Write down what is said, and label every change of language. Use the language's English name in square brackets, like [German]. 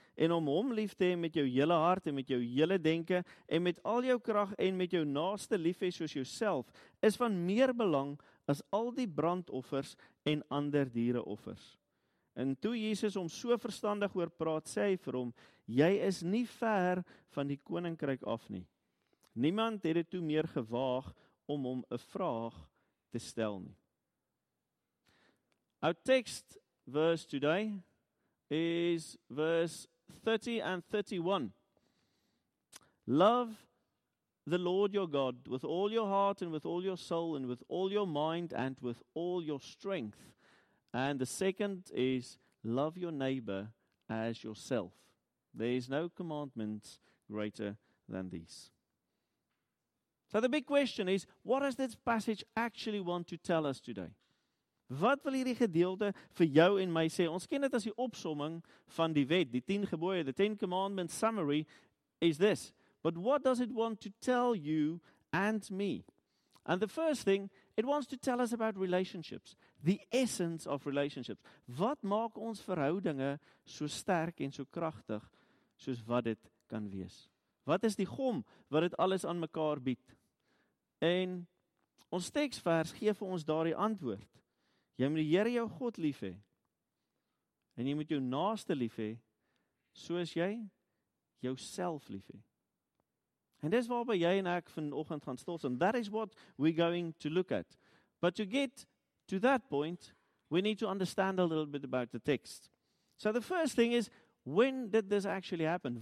[Afrikaans] En om hom lief te hê met jou hele hart en met jou hele denke en met al jou krag en met jou naaste lief hê soos jouself is van meer belang as al die brandoffers en ander diereoffers. En toe Jesus hom so verstandig oor praat, sê hy vir hom, jy is nie ver van die koninkryk af nie. Niemand het dit toe meer gewaag om hom 'n vraag te stel nie. [English] Our text verse today is verse 30 and 31. Love the Lord your God with all your heart and with all your soul and with all your mind and with all your strength. And the second is, love your neighbor as yourself. There is no commandment greater than these. So the big question is, what does this passage actually want to tell us today? [Afrikaans] Wat wil hierdie gedeelte vir jou en my sê? Ons ken dit as die opsomming van die wet, die 10 gebooie, [English] the 10 commandments summary is this. But what does it want to tell you and me? And the first thing, it wants to tell us about relationships. The essence of relationships. [Afrikaans] Wat maak ons verhoudinge so sterk en so kragtig soos wat dit kan wees? Wat is die gom wat dit alles aan mekaar bied? En ons teksvers gee vir ons daardie antwoord. Jy moet die Here jou God lief hê. En jy moet jou naaste lief hê soos jy jouself lief hê. And dis waarby jy en ek vanoggend gaan stil staan. [English] That is what we're going to look at. But to get to that point, we need to understand a little bit about the text. So the first thing is, when did this actually happen?